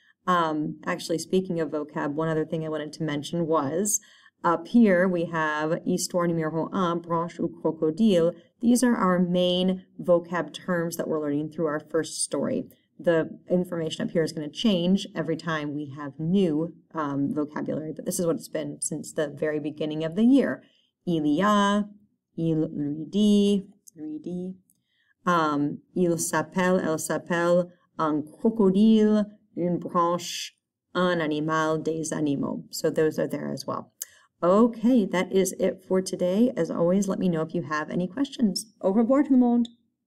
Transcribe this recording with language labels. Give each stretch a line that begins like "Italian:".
English: Actually, speaking of vocab, one other thing I wanted to mention was up here we have
French: histoire numéro un, branche ou crocodile.
English: These are our main vocab terms that we're learning through our first story. The information up here is going to change every time we have new vocabulary, but this is what it's been since the very beginning of the year.
French: Il y a, il lui dit, il s'appelle, elle s'appelle, un crocodile, une branche, un animal, des animaux.
English: So those are there as well. Okay, that is it for today. As always, let me know if you have any questions.
French: Au revoir tout le monde.